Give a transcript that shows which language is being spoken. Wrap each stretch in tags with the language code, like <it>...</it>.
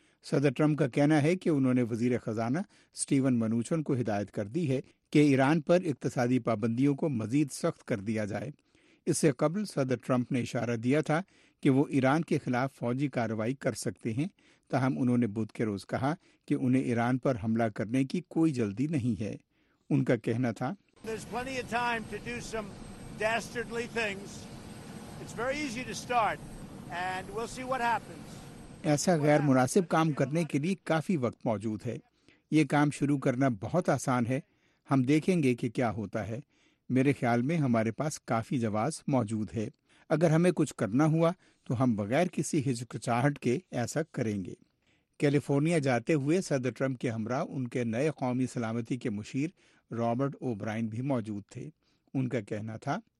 <ur>صدر ٹرمپ کا کہنا ہے کہ انہوں نے وزیر خزانہ اسٹیون منوچن کو ہدایت کر دی ہے کہ ایران پر اقتصادی پابندیوں کو مزید سخت کر دیا جائے۔ اس سے قبل صدر ٹرمپ نے اشارہ دیا تھا کہ وہ ایران کے خلاف فوجی کارروائی کر سکتے ہیں، تاہم انہوں نے بدھ کے روز کہا کہ انہیں ایران پر حملہ کرنے کی کوئی جلدی نہیں ہے۔ ان کا کہنا تھا</ur> <en>There's plenty of time to do some dastardly things. It's very easy to start and we'll see what happens.</en> <ur>ایسا غیر مناسب کام کرنے کے لیے کافی وقت موجود ہے، یہ کام شروع کرنا بہت آسان ہے، ہم دیکھیں گے کہ کیا ہوتا ہے۔ میرے خیال میں ہمارے پاس کافی جواز موجود ہے، اگر ہمیں کچھ کرنا ہوا تو ہم بغیر کسی ہچکچاہٹ کے ایسا کریں گے۔ کیلیفورنیا جاتے ہوئے صدر ٹرمپ کے ہمراہ ان کے نئے قومی سلامتی کے مشیر رابرٹ او برائن بھی موجود تھے۔ ان کا کہنا تھا</ur>